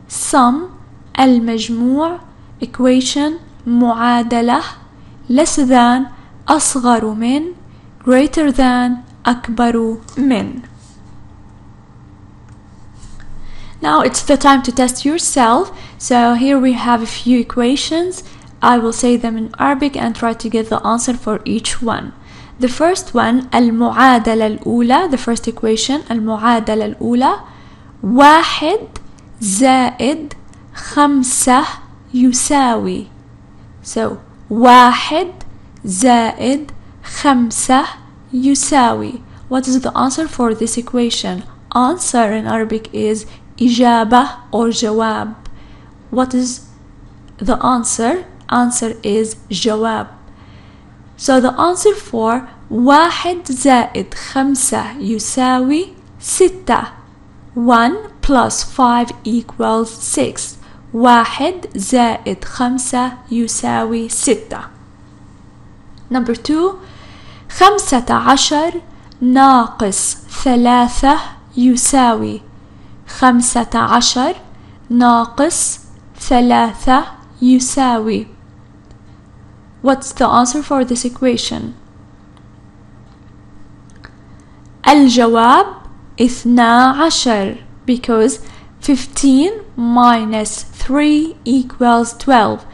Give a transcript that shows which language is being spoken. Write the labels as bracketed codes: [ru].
[en] sum [ar] المجموع [en] equation [ar] معادلة [en] less than [ar] أصغر من [en] greater than [ar] أكبر من [en] now it's the time to test yourself so here we have a few equations I will say them in Arabic and try to get the answer for each one. The first one, [ar] المعادلة الأولى, [en] the first equation, [ar] المعادلة الأولى, واحد زائد خمسة يساوي. So, واحد زائد خمسة يساوي. [en] What is the answer for this equation? Answer in Arabic is [ar] إجابة [en] or [ar] جواب. [en] What is the answer? Answer is [ar] جواب. [en] So the answer for [ar] واحد زائد خمسة يساوي ستة. [en] One plus five equals six. [ar] واحد زائد خمسة يساوي ستة. [en] Number two. [ar] خمسة عشر ناقص ثلاثة يساوي. خمسة عشر ناقص ثلاثة يساوي. [en] What's the answer for this equation? [ar] الجواب [en] 12 because 15 minus 3 equals 12.